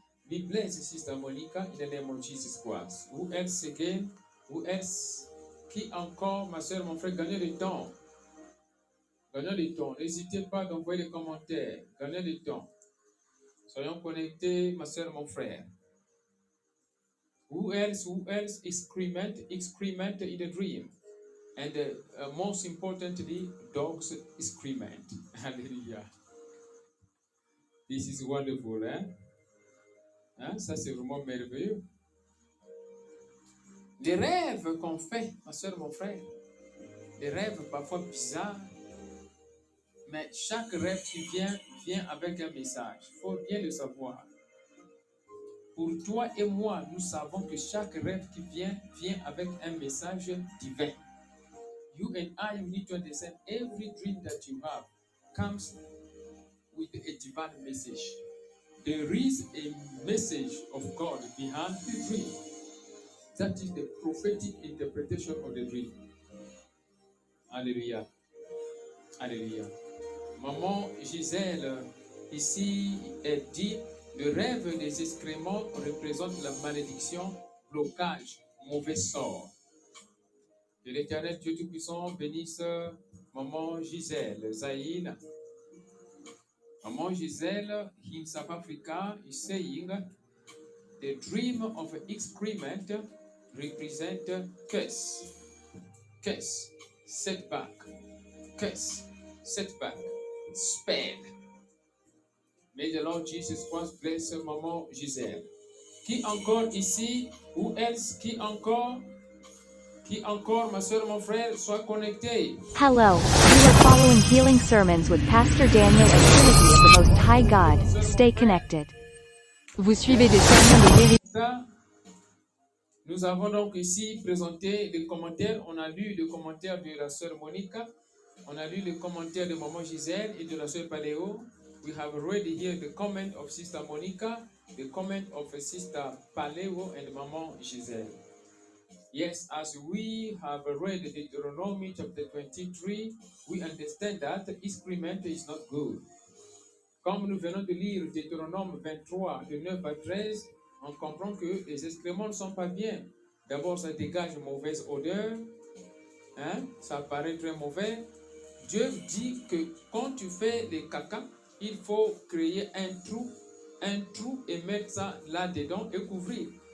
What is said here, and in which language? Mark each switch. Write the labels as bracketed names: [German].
[English] We bless Sister Monica in the name of Jesus Christ. Who else again? Who else? [French] Qui encore, ma soeur, mon frère, gagnez le temps. Gagnez le temps. N'hésitez pas d'envoyer les commentaires. Gagnez le temps. Soyons connectés, ma soeur, mon frère. [English] Who else? Who else? Excrement. [French] Excrement in the dream. And most importantly, dogs excrement. Hallelujah. [English] This is wonderful, [French] hein? Hein? Ça, c'est vraiment merveilleux. Les rêves qu'on fait, ma soeur, mon frère, des rêves parfois bizarres, mais chaque rêve qui vient, vient avec un message. Il faut bien le savoir. Pour toi et moi, nous savons que chaque rêve qui vient, vient avec un message divin. [English] You and I, we need to understand every dream that you have comes with a divine message. There is a message of God behind the dream. That is the prophetic interpretation of the dream. [French] Alléluia. Alléluia. Maman Gisèle, ici, elle dit, le rêve des excréments représente la malédiction, blocage, mauvais sort. Que l'Éternel Dieu Tout-Puissant bénisse Maman Gisèle, Zahine. [English] Maman Gisèle, in South Africa, is saying the dream of excrement represents curse, curse, setback, curse, setback, spell. May the Lord Jesus Christ bless Maman Gisèle. [French] Qui encore ici? [English] Who else? [French] Qui encore? Qui encore, ma soeur, mon frère, soit connecté. [English] Hello, you are following healing sermons with Pastor Daniel at Trinity of the Most High God. Stay connected. [French] Vous suivez des sermons de guérison. Nous avons donc ici présenté des commentaires. On a lu le commentaire de la soeur Monica. On a lu le commentaire de Maman Gisèle et de la soeur Paléo. [English] We have already heard the comment of Sister Monica, the comment of Sister Paléo and Maman Gisèle. Yes, as we have read Deuteronomy chapter 23, we understand that excrement is not good. [French] Comme nous venons de lire Deuteronomy 23, de 9 à 13, on comprend que les excréments ne sont pas bien. D'abord, ça dégage une mauvaise odeur. hein, ça paraît très mauvais. Dieu dit que quand tu fais les caca, il faut créer un trou et mettre ça là-dedans et couvrir.